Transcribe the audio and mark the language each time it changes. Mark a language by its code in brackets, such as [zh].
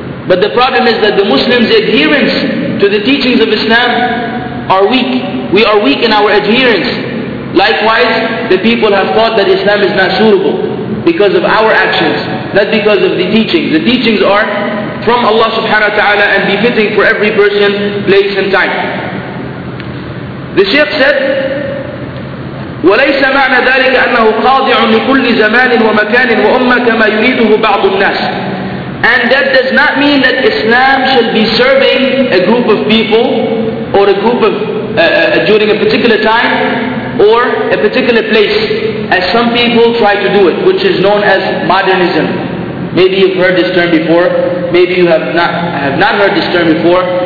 [en] But the problem is that the Muslims' adherence to the teachings of Islam are weak. We are weak in our adherence. Likewise, the people have thought that Islam is not suitable because of our actions, not because of the teachings. The teachings are from Allah subhanahu wa ta'ala and befitting for every person, place and time. The Shaykh said, [ar] وَلَيْسَ مَعْنَ ذَلِكَ أَنَّهُ قَاضِعٌ لِكُلِّ زَمَانٍ وَمَكَانٍ وَأُمَّا كَمَا يُرِيدُهُ بَعْضُ النَّاسِ. [en] And that does not mean that Islam shall be serving a group of people or a group of during a particular time or a particular place, as some people try to do it, which is known as modernism. Maybe you've heard this term before, maybe you have not heard this term before.